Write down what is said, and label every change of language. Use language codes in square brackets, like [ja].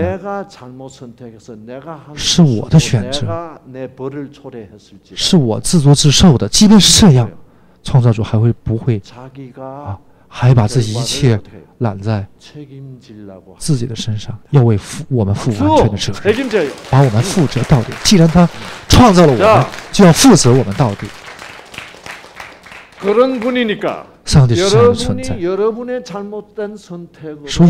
[ko] 내가 잘못 선택해서 내가 한 [zh] 是我的选择, [ko] 내가 내 벌을 초래했을지 [zh] 是我自作自受的, 即便是这样, 创造主还会不会 [ko] 자기가 [zh] 还把自己一切揽在自己的身上，要为我们负完全的责任，把我们负责到底。既然他创造了我们，就要负责我们到底。 [ko] 그런 분이니까 [zh] 上帝是这样的存在 [ko] 여러분의 잘못된 선택으로